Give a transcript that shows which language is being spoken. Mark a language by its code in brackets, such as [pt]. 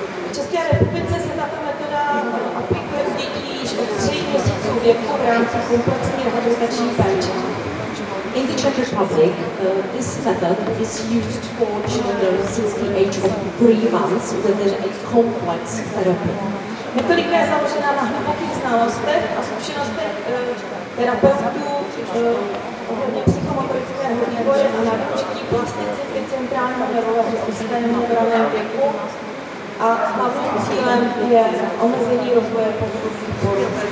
[cs] V České republice se tato metoda aplikuje v dětích od 3 měsíců věku v rámci komplexní rehabilitační péče. [en] In the Czech Republic, this method is used for children since the age of 3 months within a complex therapy. [cs] Metodika je založena na hlubokých znalostech a zkušenostech terapeutů ohledně psychomotorického vývoje a na využití plasticity centrálního nervového systému v raném věku a hlavním cílem je omezení rozvoje pohybových poruch.